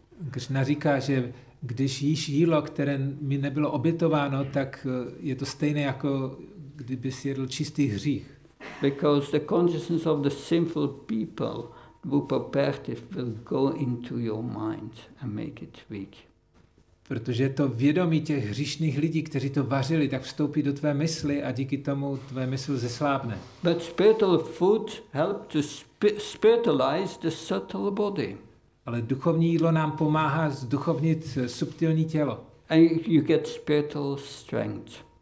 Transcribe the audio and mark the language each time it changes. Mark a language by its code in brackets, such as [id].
[cs] Krishna říká, že když jíš jídlo, které mi nebylo obětováno, tak je to stejné jako kdyby si jedl čistý hřích. [en] Because the consciousness of the sinful people who prepared it will go into your mind and make it weak. [cs] Protože to vědomí těch hříšných lidí, kteří to vařili, tak vstoupí do tvé mysli a díky tomu tvé mysl zeslábne. [en] But spiritual food helps to spiritualize the subtle body. [cs] Ale duchovní jídlo nám pomáhá zduchovnit subtilní tělo. [en] And you get spiritual strength.